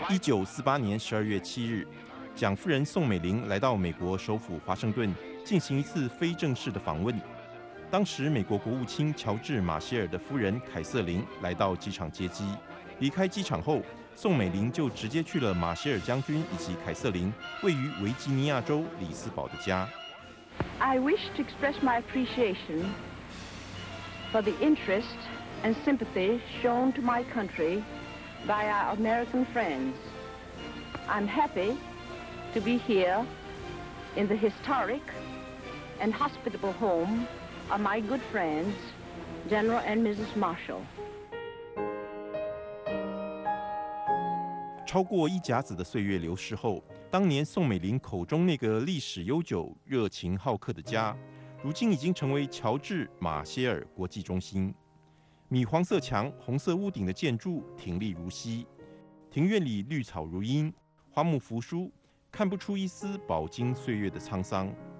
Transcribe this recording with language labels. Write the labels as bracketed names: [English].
[Chinese] 1948年12月7日，蒋夫人宋美龄来到美国首府华盛顿进行一次非正式的访问。当时，美国国务卿乔治·马歇尔的夫人凯瑟琳来到机场接机。离开机场后，宋美龄就直接去了马歇尔将军以及凯瑟琳位于维吉尼亚州里斯堡的家。 [English] I wish to express my appreciation for the interest and sympathy shown to my country by our American friends. I'm happy to be here in the historic and hospitable home of my good friends, General and Mrs. Marshall. [Chinese] 超过一甲子的岁月流逝后，当年宋美龄口中那个历史悠久、热情好客的家，如今已经成为乔治·马歇尔国际中心。米黄色墙、红色屋顶的建筑挺立如昔，庭院里绿草如茵，花木扶疏，看不出一丝饱经岁月的沧桑。